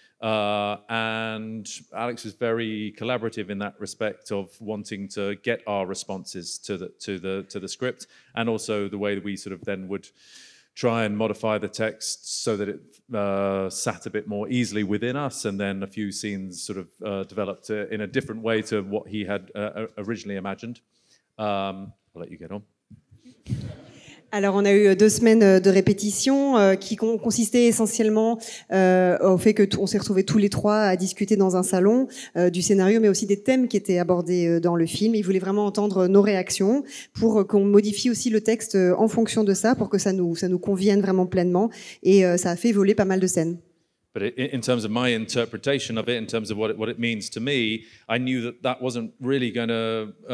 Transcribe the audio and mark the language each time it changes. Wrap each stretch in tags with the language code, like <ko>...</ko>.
<en>And Alex was very collaborative in that respect of wanting to get our responses to the script, and also the way that we sort of then would try and modify the text so that it sat a bit more easily within us, and then a few scenes sort of developed in a different way to what he had originally imagined. I'll let you get on.</en> <fr>Alors, on a eu 2 semaines de répétition qui consistaient essentiellement au fait qu'on s'est retrouvés tous les trois à discuter dans un salon du scénario, mais aussi des thèmes qui étaient abordés dans le film. Ils voulaient vraiment entendre nos réactions pour qu'on modifie aussi le texte en fonction de ça, pour que ça nous convienne vraiment pleinement. Et ça a fait évoluer pas mal de scènes.</fr> <en>But in terms of my interpretation of it, in terms of what it means to me, I knew that that wasn't really going to...</en>